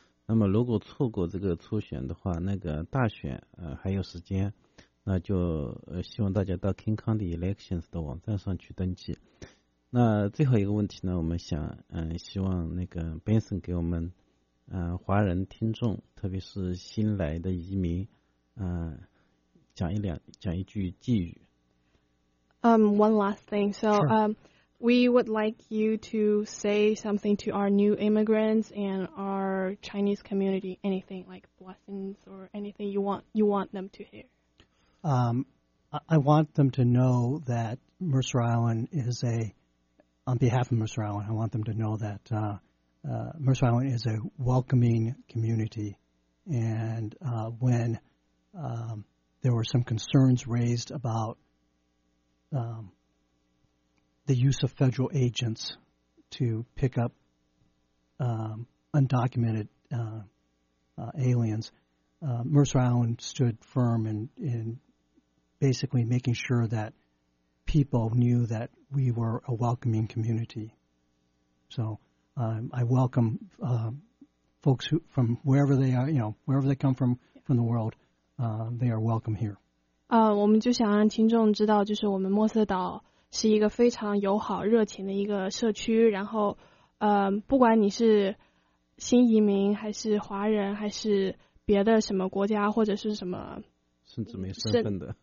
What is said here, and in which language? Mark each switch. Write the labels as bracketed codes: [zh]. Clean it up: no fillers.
[zh] 那么如果错过这个初选的话，那个大选还有时间，那就希望大家到 King County Elections 的网站上去登记。那最后一个问题呢，我们想希望那个 Benson 给我们华人听众，特别是新来的移民讲一句寄语。 [en] One last thing. So, sure. We would like you to say something to our new immigrants and our Chinese community, anything like blessings or anything you want them to hear. I want them to know that Mercer Island is a, on behalf of Mercer Island, I want them to know that Mercer Island is a welcoming community. And when there were some concerns raised about the use of federal agents to pick up undocumented aliens, Mercer Island stood firm in basically making sure that people knew that we were a welcoming community. So I welcome folks who, from wherever they are, you know, wherever they come from the world, they are welcome here. [zh] 我们就想让听众知道，就是我们墨色岛是一个非常友好热情的一个社区，然后不管你是新移民还是华人还是别的什么国家或者是什么甚至没身份的，